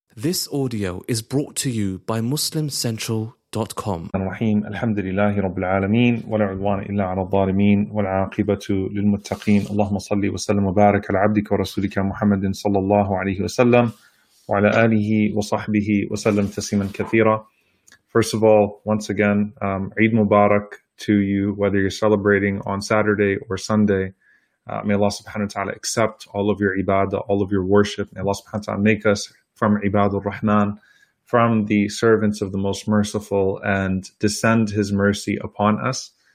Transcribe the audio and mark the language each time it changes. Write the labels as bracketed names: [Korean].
[English] This audio is brought to you by MuslimCentral.com. [Arabic] الرحيم الحمد لله رب العالمين ولا عدوان إلا على الظالمين والعاقبة للمتقين اللهم صل وسلم وبارك على عبدك ورسولك محمد صلى الله عليه وسلم وعلى آله وصحبه وسلم تسليما كثيرا. [English] First of all, once again, Eid Mubarak to you, whether you're celebrating on Saturday or Sunday. May Allah subhanahu wa ta'ala accept all of your ibadah, all of your worship. May Allah subhanahu wa ta'ala make us from ibadur rahman, from the servants of the most merciful, and descend his mercy upon us.